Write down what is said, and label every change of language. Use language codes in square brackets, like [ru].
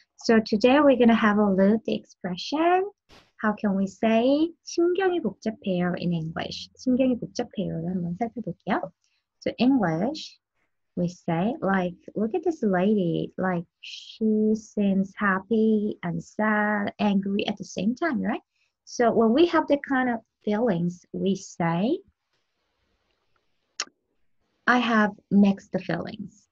[en] So today we're going to have a look at the expression. How can we say [ko] 심경이 복잡해요 [en] in English? [ko] 심경이 복잡해요를 한번 살펴볼게요. [en] So English, we say like, look at this lady. Like she seems happy and sad, angry at the same time, right? So when we have that kind of feelings, we say, I have mixed feelings.